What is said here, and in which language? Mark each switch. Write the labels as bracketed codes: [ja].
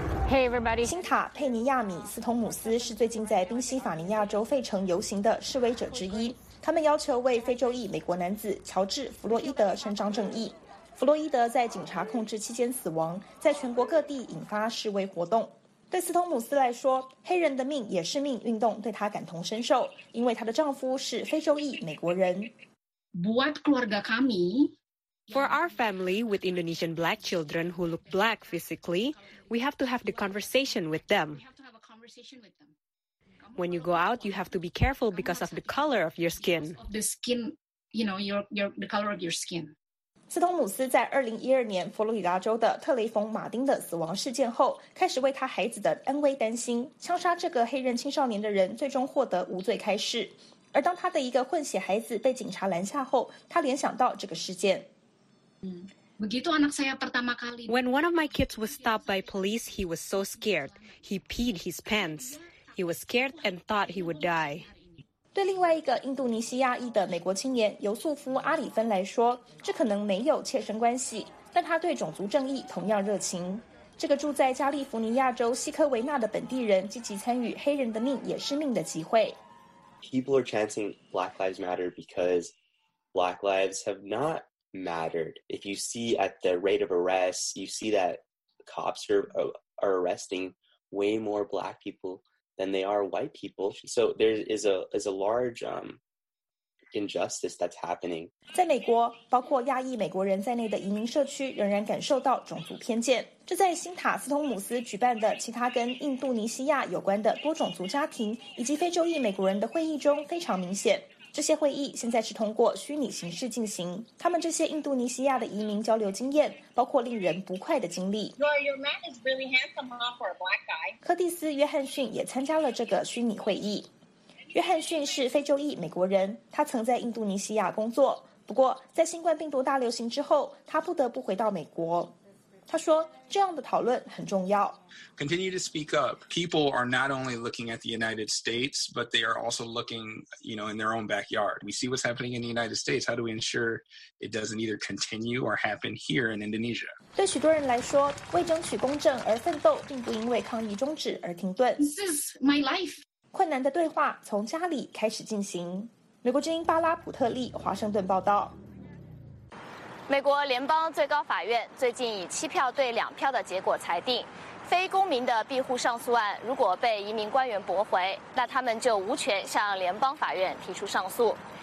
[en] Hey everybody， [zh] 辛塔·佩尼亚米斯通姆斯是最近在宾夕法尼亚州费城游行的示威者之一，他们要求为非洲裔美国男子乔治·弗洛伊德伸张正义。弗洛伊德在警察控制期间死亡，在全国各地引发示威活动。对斯通姆斯来说，黑人的命也是命运动对他感同身受，因为他的丈夫是非洲裔美国人。 [id] Buat keluarga kami, [en] for our family with Indonesian black children who look black physically, we have to have the conversation with them. When you go out, you have to be careful because of the color of your skin. The skin, you know, the color of your skin. [zh] 斯通姆斯在2012年佛罗里达州的特雷冯·马丁的死亡事件后，开始为他孩子的安危担心。枪杀这个黑人青少年的人最终获得无罪开释。而当他的一个混血孩子被警察拦下后，他联想到这个事件。 [id] Begitu anak saya pertama kali. [en] When one of my kids was stopped by police, he was so scared. He peed his pants. He was scared and thought he would die. [zh] 对另外一个印度尼西亚裔的美国青年尤素夫·阿里芬来说，这可能没有切身关系，但他对种族正义同样热情。这个住在加利福尼亚州西科维纳的本地人积极参与“黑人的命也是命”的集会。 [en] People are chanting "Black Lives Matter" because Black lives have not mattered. If you see at the rate of arrests, you see that cops are arresting way more Black people. Than they are white people. So there is a large injustice that's happening. [zh] 在美国，包括亚裔美国人在内的移民社区仍然感受到种族偏见。这在辛塔斯通姆斯举办的其他跟印度尼西亚有关的多种族家庭以及非洲裔美国人的会议中非常明显。这些会议现在是通过虚拟形式进行。他们这些印度尼西亚的移民交流经验，包括令人不快的经历。 [en] Your man is really handsome, huh, for a black guy. [zh] 柯蒂斯·约翰逊也参加了这个虚拟会议。约翰逊是非洲裔美国人，他曾在印度尼西亚工作，不过在新冠病毒大流行之后，他不得不回到美国。他说这样的讨论很重要。 [en] Continue to speak up. People are not only looking at the United States, but they are also looking, you know, in their own backyard. We see what's happening in the United States. How do we ensure it doesn't either continue or happen here in Indonesia? [zh] 对许多人来说，为争取公正而奋斗，并不因为抗议终止而停顿。 [en] This is my life. [zh] 困难的对话从家里开始进行。美国之音巴拉普特利华盛顿报道。美国联邦最高法院最近以7票对2票的结果裁定，非公民的庇护上诉案如果被移民官员驳回，那他们就无权向联邦法院提出上诉。